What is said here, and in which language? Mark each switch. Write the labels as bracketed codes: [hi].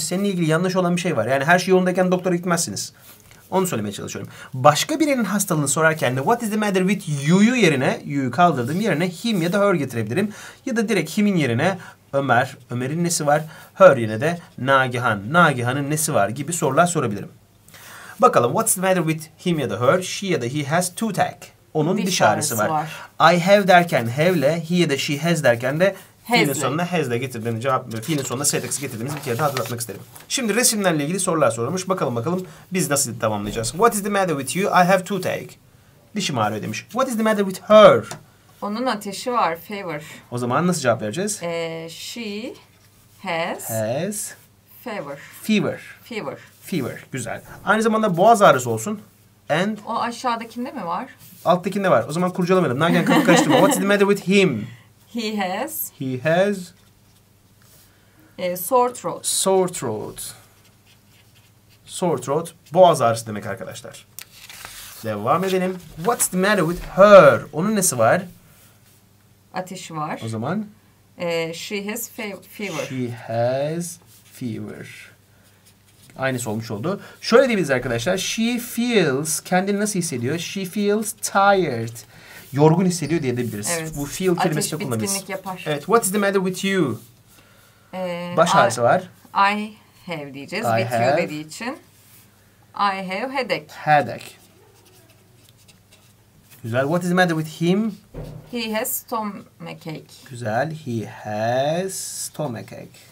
[tr] Seninle ilgili yanlış olan bir şey var. Yani her şey yolundayken doktora gitmezsiniz. Onu söylemeye çalışıyorum. Başka birinin hastalığını sorarken de [en] what is the matter with you [tr] yerine, you'yu kaldırdığım yerine him ya da her getirebilirim. Ya da direkt him'in yerine Ömer, Ömer'in nesi var? Her yine de Nagihan, Nagihan'ın nesi var gibi sorular sorabilirim. Bakalım [en] what's the matter with him [tr] ya da her, she ya da he has toothache. Onun diş ağrısı var. I have derken have'le, he ya da she has derken de fiilin sonuna has'le getirdiğini cevap veriyor. Fiilin sonuna s'le getirdiğimizi bir kere daha hatırlatmak isterim. Şimdi resimlerle ilgili sorular sorulmuş. Bakalım biz nasıl tamamlayacağız. [en] What is the matter with you? I have toothache. [tr] Dişim ağrıyor demiş. [en] What is the matter with her? [tr] Onun ateşi var, fever. O zaman nasıl cevap vereceğiz? [en] She has fever. Fever. Fever. Fever. [tr] Güzel. Aynı zamanda boğaz ağrısı olsun. [en] And [tr] o aşağıdakinde mi var? Alttakinde var. O zaman kurcalamayalım. Nagihan kafa karıştırma. [en] What is the matter with him? He has. He has. Sore throat. Sore throat. Sore throat. [tr] Boğaz ağrısı demek arkadaşlar. Devam edelim. What's the matter with her? Onun nesi var? Ateşi var. O zaman? [en] She has fever. She has fever. [tr] Aynısı olmuş oldu. Şöyle diyebiliriz arkadaşlar. [en] She feels, [tr] kendini nasıl hissediyor? [en] She feels tired. [tr] Yorgun hissediyor diye diyebiliriz. Evet. Bu feel kelimesi de kullanabiliriz. Ateş bitkinlik yapar. Evet. What is the matter with you? Baş ağrısı var. [en] I have diyeceğiz. I with have. You [tr] dediği için. [en] I have headache. Headache. [tr] Güzel. [en] What is the matter with him? He has stomachache. [tr] Güzel. [en] He has stomachache.